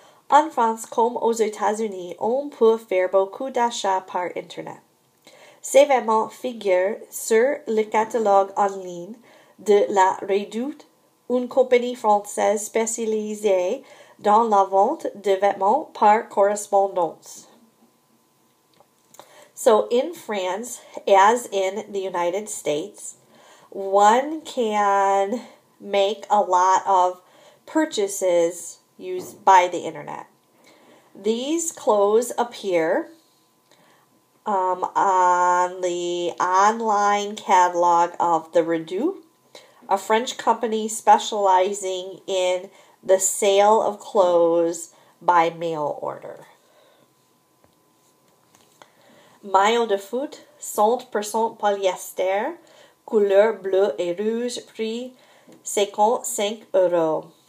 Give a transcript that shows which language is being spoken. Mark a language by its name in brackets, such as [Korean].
[French] En France, comme aux États-Unis, on peut faire beaucoup d'achats par Internet. Ces vêtements figurent sur le catalogue en ligne de la Redoute, une compagnie française spécialisée dans la vente de vêtements par correspondance. [English] So, in France, as in the United States, one can make a lot of purchases used by the internet. These clothes appear on the online catalog of the Redoute, a French company specializing in the sale of clothes by mail order. [French] Maillot de foot, 100% polyester, couleur bleu et rouge, prix 55 euros.